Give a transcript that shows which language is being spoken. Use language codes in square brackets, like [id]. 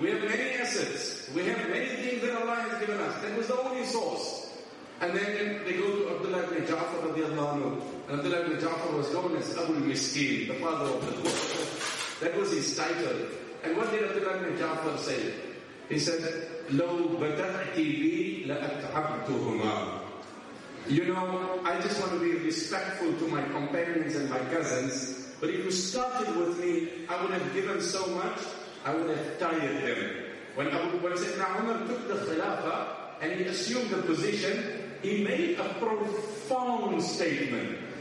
[en] We have many assets. We have many things that Allah has given us. That was the only source. And then they go to Abdullah ibn Ja'far radiallahu anhu. And Abdullah ibn Ja'far was known as Abu al-Miskin, the father of the poor. That was his title. And what did Abdullah ibn Ja'far say? He said, [ar] لَوْ بَتَعْتِ بِي لَأَتْعَبْتُهُمَا. [en] You know, I just want to be respectful to my companions and my cousins. But if you started with me, I would have given so much, I would have tired them. When Sayyidina Umar took the Khilafah and he assumed the position, he made a profound statement.